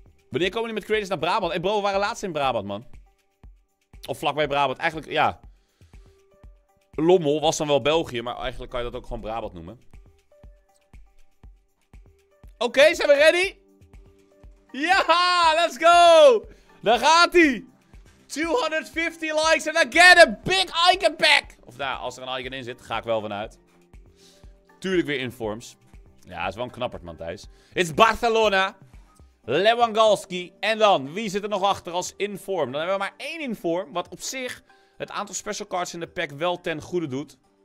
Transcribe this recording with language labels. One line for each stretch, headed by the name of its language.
Dutch: Wanneer komen jullie met creators naar Brabant? Hey, bro, we waren laatst in Brabant, man. Of vlakbij Brabant. Eigenlijk, ja. Lommel was dan wel België, maar eigenlijk kan je dat ook gewoon Brabant noemen. Oké, zijn we ready? Ja,
English: let's go!
Dutch: Daar gaat-ie!
English: 250 likes and I get a big icon pack.
Dutch: Of nou, als er een icon in zit, ga ik wel vanuit. Tuurlijk weer informs. Ja, is wel een knapperd man, Thijs.
English: It's Barcelona.
Dutch: Lewandowski. En dan, wie zit er nog achter als inform? Dan hebben we maar één inform, wat op zich het aantal special cards in de pack wel ten goede doet.